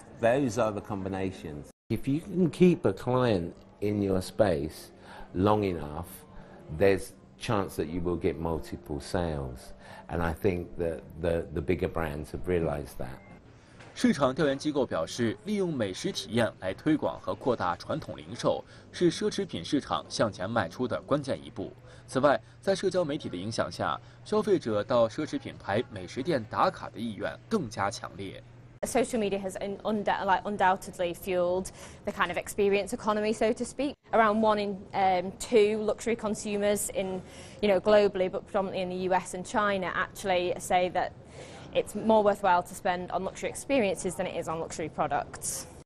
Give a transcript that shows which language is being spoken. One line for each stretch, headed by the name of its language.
English: Those are the combinations. If you can keep a client in your space long enough, there's chance that you will get multiple sales. And I think that the bigger brands have realized that.
Chinese: 市场调研机构表示，利用美食体验来推广和扩大传统零售，是奢侈品市场向前迈出的关键一步。此外，在社交媒体的影响下，消费者到奢侈品牌美食店打卡的意愿更加强烈。
English: Social media has undoubtedly fueled the kind of experience economy, so to speak. Around 1 in 2 luxury consumers in, you know, globally, but predominantly in the US and China, actually say that it's more worthwhile to spend on luxury experiences than it is on luxury products.